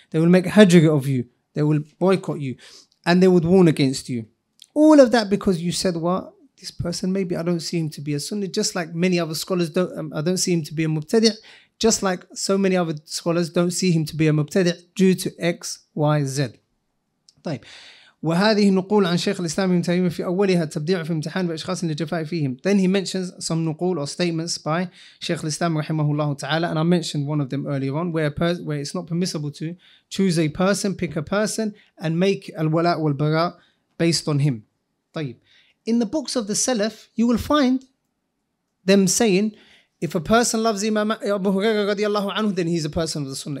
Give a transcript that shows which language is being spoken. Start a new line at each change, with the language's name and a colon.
English: They will make هجر of you, they will boycott you, and they would warn against you. All of that because you said what? This person, maybe I don't see him to be a sunni, just like many other scholars don't, I don't see him to be a mubtadi', just like so many other scholars don't see him to be a mubtadi' due to X, Y, Z. طيب.
Arabic: وهذه نقول عن شيخ الإسلام ابن تيمية في أولها التبديع في امتحان بأشخاص للجفاء فيهم.
English: Then he mentions some نقول or statements by شيخ الإسلام
Arabic: رحمه الله تعالى,
English: and I mentioned one of them earlier on, where it's not permissible to choose a person, pick a person, and make الولاء والبراء based on him.
Arabic: طيب.
English: In the books of the Salaf, you will find them saying, if a person loves Imam Abu Huraira radiallahu anhu, then he's a person of the Sunnah.